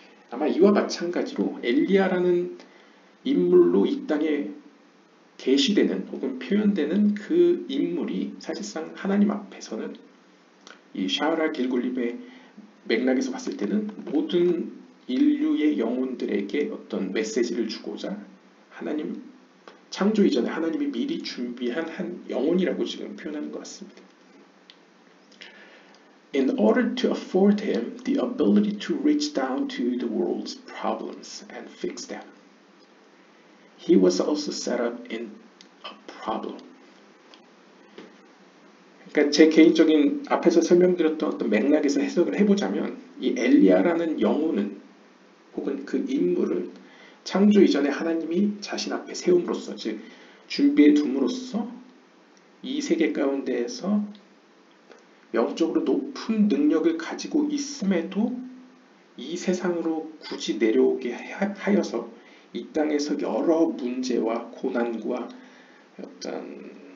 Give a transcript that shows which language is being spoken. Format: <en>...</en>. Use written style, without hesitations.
<ko>아마 이와 마찬가지로 엘리야라는 인물로 이 땅에 계시되는 혹은 표현되는 그 인물이 사실상 하나님 앞에서는 이 샤라 길굴림의 맥락에서 봤을 때는 모든 인류의 영혼들에게 어떤 메시지를 주고자 하나님 창조 이전에 하나님이 미리 준비한 한 영혼이라고 지금 표현하는 것 같습니다.</ko> <en>In order to afford him the ability to reach down to the world's problems and fix them, he was also set up in a problem.</en> <ko>그러니까 제 개인적인 앞에서 설명드렸던 어떤 맥락에서 해석을 해보자면 이 엘리야라는 영혼은 혹은 그 인물을 창조 이전에 하나님이 자신 앞에 세움으로써 즉 준비해 둠으로써 이 세계 가운데에서 영적으로 높은 능력을 가지고 있음에도 이 세상으로 굳이 내려오게 하여서 이 땅에서 여러 문제와 고난과 어떤</ko>